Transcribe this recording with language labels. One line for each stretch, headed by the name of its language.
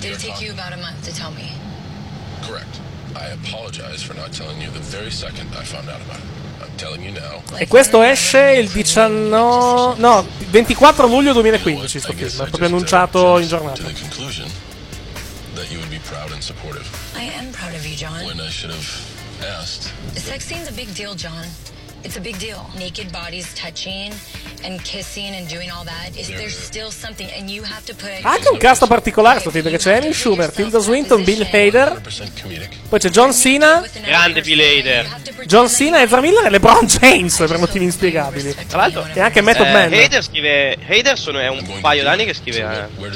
English: did it take you about a month to tell me? Correct. I apologize for not telling you the very second I found out about it. I'm telling you now.
Italian: E questo esce il 24 luglio 2015, sto film, proprio annunciato in giornata.
English: The conclusion that you would be proud and supportive. I am proud of you, John. When I should have asked. The sex scene's a big deal, John. It's a big deal. Naked bodies touching and kissing and doing all that. Is there still something and you have to put...
Italian: Anche un cast particolare, sto perché c'è Amy Schumer, Tilda Swinton, Bill Hader. Poi c'è John Cena. Grande Bill Hader. John Cena, Ezra Miller e LeBron James, per motivi inspiegabili. Tra l'altro... E anche Method Man. Hader è un paio d'anni che scrive...